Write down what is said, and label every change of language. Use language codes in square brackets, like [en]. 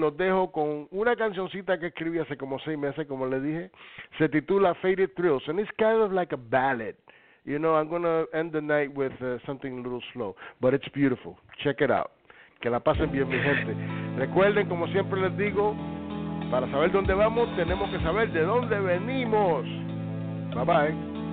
[es] Los dejo con una cancioncita que escribí hace como 6 meses, como le dije. Se titula [en] Faded Thrills. And it's kind of like a ballad. You know, I'm going to end the night with something a little slow, but it's beautiful. Check it out. [es] Que la pasen bien, mi gente. Recuerden, como siempre les digo, para saber dónde vamos, tenemos que saber de dónde venimos. Bye-bye.